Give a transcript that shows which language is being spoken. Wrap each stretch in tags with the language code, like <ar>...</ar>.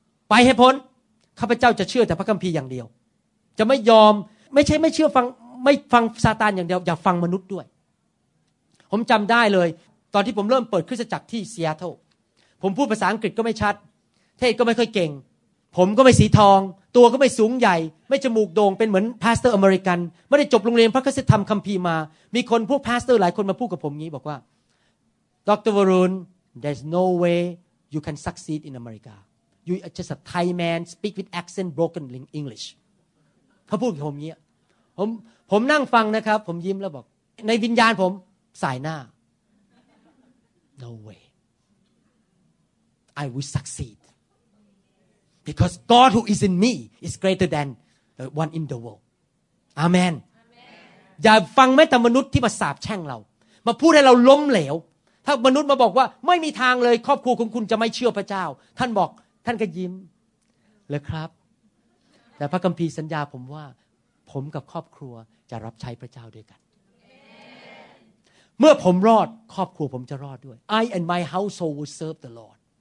<th>ไปให้พ้นข้าพเจ้าจะเชื่อแต่พระคัมภีร์อย่างเดียวจะไม่ยอมไม่ใช่ไม่เชื่อฟังไม่ฟังซาตานอย่างเดียวอย่าฟังมนุษย์ด้วยผมจำได้เลยตอนที่ผมเริ่มเปิดคริสตจักรที่ซีแอตเทิลผมพูดภาษาอังกฤษก็ไม่ชัดเทศก็ไม่ค่อยเก่งผมก็ไม่สีทองตัวก็ไม่สูงใหญ่ไม่จมูกโด่งเป็นเหมือนพาสเตอร์อเมริกันไม่ได้จบโรงเรียนพระคริสตธรรมคัมภีร์มามีคนพวกพาสเตอร์หลายคนมาพูดกับผมงี้บอกว่าดร.วรุณ</th> <en>There's no way you can succeed in America. You are just a Thai man speak with accent broken English.</en> <th>เขาพูดกับผมเนี่ยผมนั่งฟังนะครับผมยิ้มแล้วบอกในวิญญาณผมสายหน้า</th> <en>No way. I will succeed. Because God who is in me is greater than the one in the world. Amen.</en> <th>อย่าฟังแม้แต่มนุษย์ที่มาสาปแช่งเรามาพูดให้เราล้มเหลวถ้ามนุษย์มาบอกว่าไม่มีทางเลยครอบครัวของคุณจะไม่เชื่อพระเจ้าท่านบอกท่านก็ยิ้มเลยครับแต่พระคัมภีร์สัญญาผมว่าผมกับครอบครัวจะรับใช้พระเจ้าด้วยกัน Amen. เมื่อผมรอดครอบครัวผมจะรอดด้วย</th> <en>I and my household will serve the Lord</en>